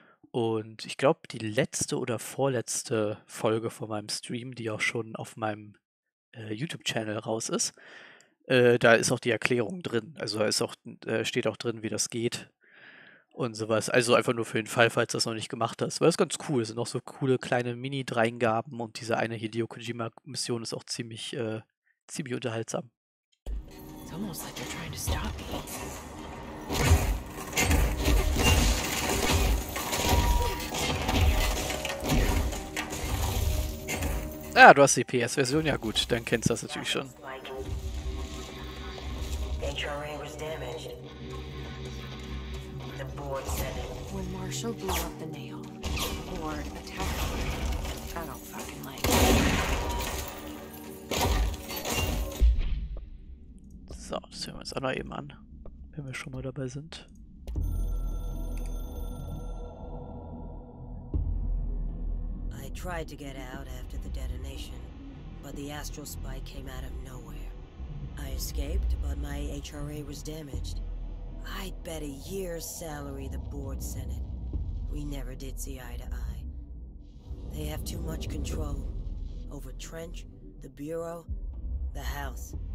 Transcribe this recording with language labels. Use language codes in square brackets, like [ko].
[de] Und ich glaube, die letzte oder vorletzte Folge von meinem Stream, die auch schon auf meinem YouTube-Channel raus ist, da ist auch die Erklärung drin. Also da ist auch, steht auch drin, wie das geht und sowas. Also einfach nur für den Fall, falls du das noch nicht gemacht hast. Weil es ganz cool, es sind auch so coole kleine Mini-Dreingaben und diese eine Hideo Kojima-Mission ist auch ziemlich... ziemlich unterhaltsam. [en] It's almost like they're trying to stop me. [de] Ah, du hast die PS-Version, ja gut, dann kennst du das natürlich schon. [en] HRA was damaged. The board said it. When Marshall blew up the nail, the board attacked me. I don't fucking like it. [de] So, das hören wir uns auch noch eben an, wenn wir schon mal dabei sind. [en] I tried to get out after the detonation, but the astral spike came out of nowhere. I escaped, but my HRA was damaged. I'd bet a year's salary the board sent it. We never did see eye to eye. They have too much control over Trench, the Bureau, the house.